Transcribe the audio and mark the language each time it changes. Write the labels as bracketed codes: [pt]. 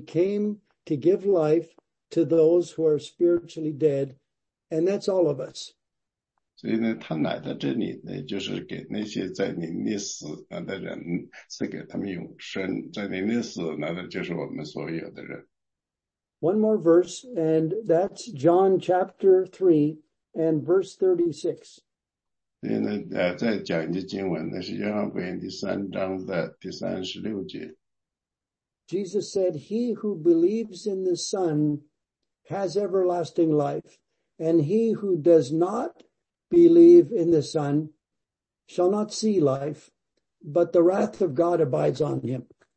[en] came to give life to those who are spiritually dead, and that's all of us. [zh] 所以呢，他来到这里呢，就是给那些在灵里死了的人，赐给他们永生。在灵里死了的，就是我们所有的人。 [en] One more verse, and that's John chapter 3 and verse 36. [zh] 再讲一句经文，那是约翰福音第三章的第36节。 [en] Jesus said, He who believes in the Son has everlasting life, and he who does not believe in the Son shall not see life, but the wrath of God abides on him.